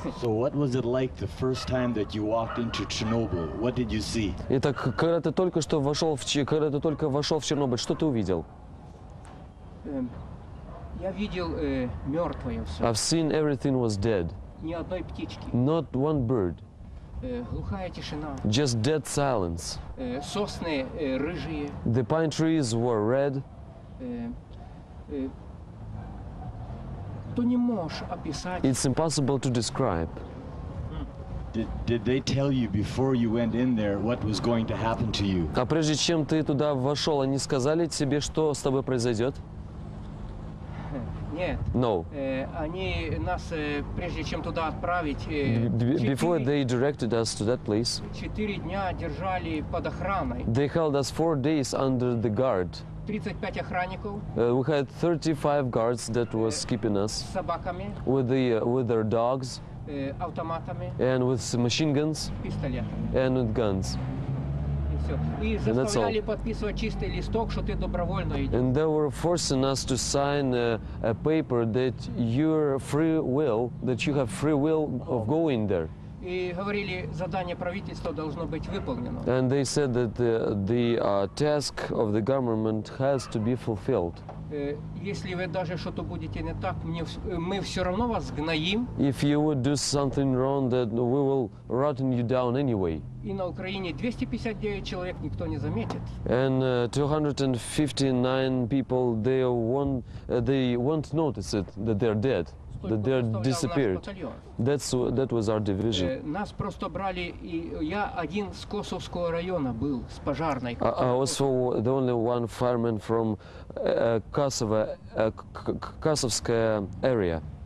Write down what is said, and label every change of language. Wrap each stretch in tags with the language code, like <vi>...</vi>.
<en>So what was it like the first time that you walked into Chernobyl? What did you see?</en> <ru>Итак, когда ты только что вошел в Чернобыль, что ты увидел? Я видел мертвое все.</ru> <en>I've seen everything was dead.</en> <ru>Ни одной птички.</ru> <en>Not one bird.</en> <ru>Глухая тишина.</ru> <en>Just dead silence.</en> <ru>Сосны рыжие.</ru> <en>The pine trees were red.</en> <ru>Ты не можешь описать.</ru> <en>It's impossible to describe. Did they tell you before you went in there what was going to happen to you?</en> <ru>А прежде чем ты туда вошел, они сказали тебе, что с тобой произойдет? Нет.</ru> <en>No.</en> <ru>Они нас прежде чем туда отправить.</ru> <en>Before they directed us to that place.</en> <ru>Четыре дня держали под охраной.</ru> <en>They held us 4 days under the guard.</en> <ru>35 охранников.</ru> <en>We had 35 guards that was keeping us.</en> <ru>С собаками.</ru> <en>With their dogs.</en> <ru>Автоматами.</ru> <en>And with machine guns.</en> <ru>Пистолетами.</ru> <en>And with guns. And that's all. And they were forcing us to sign a paper that your free will, that you have free will of going there. And they said that the task of the government has to be fulfilled.</en> <ru>Если вы даже что-то будете не так, мы все равно вас сгноим.</ru> <en>If you would do something wrong, then we will rotten you down anyway.</en> <ru>И на Украине 259 человек никто не заметит.</ru> <en>And 259 people, they won't notice it that they're dead, that they're disappeared. That was our division.</en> <ru>Нас просто брали, и я один с Косовского района был с пожарной.</ru> <en>I was the only one fireman from Kosovskaya area.</en>